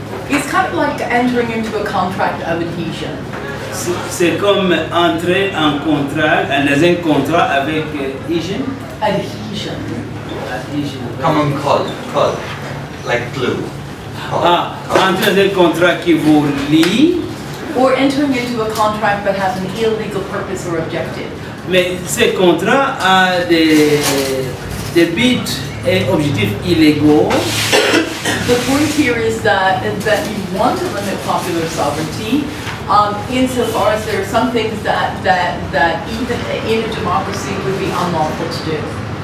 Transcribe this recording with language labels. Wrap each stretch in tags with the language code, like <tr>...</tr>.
<en>it's kind of like entering into a contract of adhesion.</en> <fr>C'est comme entrer en contrat, dans un contrat avec adhesion.</fr> <en>Adhesion. Common code, like glue.</en> <fr>Entrer dans un contrat qui vous lie.</fr> <en>Or entering into a contract that has an illegal purpose or objective.</en> <fr>Mais ce contrat a des buts et objectifs illégaux.</fr> <en>The point here is that you want to limit popular sovereignty. Insofar as there are some things that even in a democracy would be unlawful to do.</en>